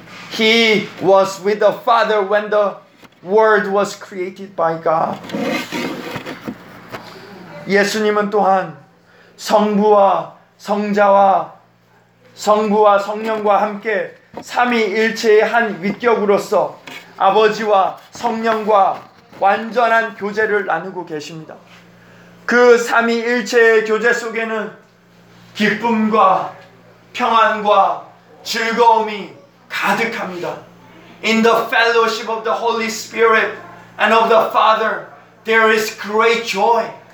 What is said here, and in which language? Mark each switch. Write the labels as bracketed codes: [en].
[en] He was with the Father when the world was created by God. [ko] 예수님은 또한 성부와 성령과 함께 삼위일체의 한 위격으로서 아버지와 성령과 완전한 교제를 나누고 계십니다. 그 삼위일체의 교제 속에는 기쁨과 평안과 즐거움이 가득합니다. [en] In the fellowship of the Holy Spirit and of the Father, there is great joy.